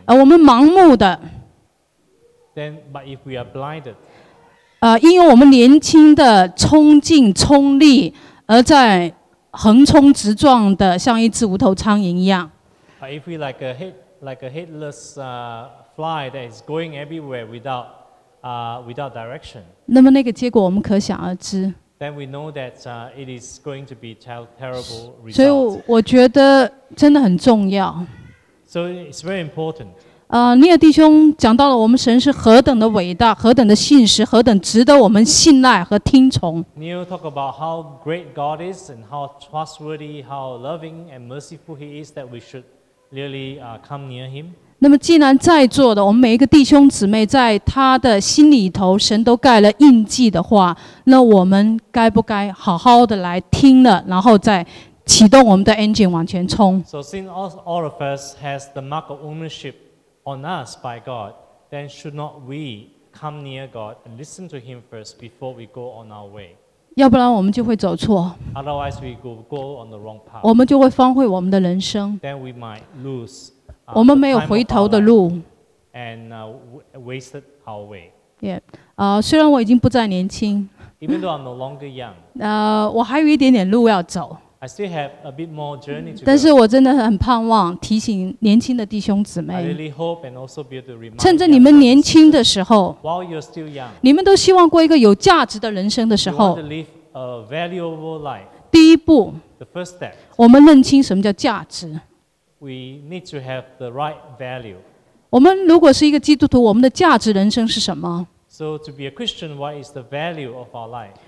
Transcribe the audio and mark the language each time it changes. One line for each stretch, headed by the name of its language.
Chinese: 而我们盲目的。
English: Then, but if we are blinded,
Chinese: 因为我们年轻的冲劲冲力，而在横冲直撞的，像一只无头苍蝇一样。
English: But if we like a headless fly that is going everywhere without direction,
Chinese: 那么那个结果我们可想而知。
English: Then we know that it is going to be terrible results.
Chinese: 所以我觉得真的很重要。
English: So it's very important.
Chinese: 尼尔弟兄讲到了我们神是何等的伟大，何等的信实，何等值得我们信赖和听从。
English: Neil talked about how great God is and how trustworthy, how loving and merciful He is that we should really come near Him.
Chinese: 那么既然在座的我们每一个弟兄姊妹在他的心里头神都盖了印记的话，那我们该不该好好的来听了，然后再启动我们的 engine 往前冲。
English: So since all of us has the mark of ownership on us by God, then should not we come near God and listen to Him first before we go on our way?
Chinese: 要不然我们就会走错。
English: Otherwise we will go on the wrong path.
Chinese: 我们就会荒废我们的人生。
English: Then we might lose
Chinese: 我们没有回头的路。
English: And wasted our way. Yeah.
Chinese: 虽然我已经不再年轻。
English: Even though I'm no longer young.
Chinese: 我还有一点点路要走。
English: I still have a bit more journey to go.
Chinese: 但是我真的很盼望提醒年轻的弟兄姊妹。
English: I really hope and also be able to remind.
Chinese: 趁着你们年轻的时候。
English: While you're still young.
Chinese: 你们都希望过一个有价值的人生的时候。
English: You want to live a valuable life.
Chinese: 第一步。
English: The first step.
Chinese: 我们认清什么叫价值。
English: We need to have the right value.
Chinese: 我们如果是一个基督徒，我们的价值人生是什么
English: ？So to be a Christian, what is the value of our life?